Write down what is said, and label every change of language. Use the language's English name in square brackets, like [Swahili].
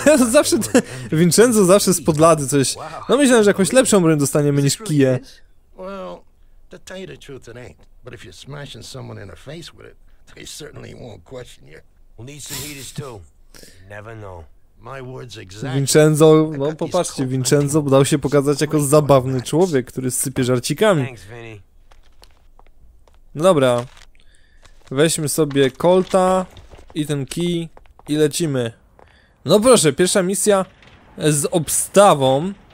[Polish] Zawsze, Vincenzo zawsze spod lady coś. No myślałem, że jakąś lepszą broń dostaniemy niż kije. [English] Well, to tell you the truth, it ain't. But if you're smashing someone in the face with it, they certainly won't question you. We'll need some heaters too. Never know. [Polish] Vincenzo, no popatrzcie, Vincenzo dał się pokazać jako zabawny człowiek, który sypie żarcikami. Dobra, weźmy sobie Colta i ten kij i lecimy. No proszę, pierwsza misja z obstawą.